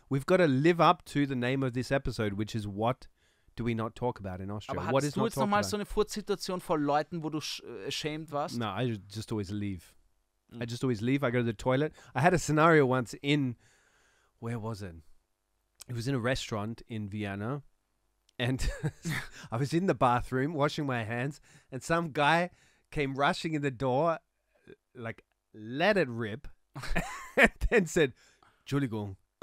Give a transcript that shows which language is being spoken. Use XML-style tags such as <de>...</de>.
<en>We've got to live up to the name of this episode, which is what do we not talk about in Austria?</en> <de>Aber hattest du jetzt nochmal so eine Furzsituation vor Leuten, wo du ashamed warst?</de> <en>No, I just always leave. I just always leave. I go to the toilet. I had a scenario once in, where was it? It was in a restaurant in Vienna. And I was in the bathroom washing my hands and some guy came rushing in the door, like, let it rip, and then said, Entschuldigung.</en>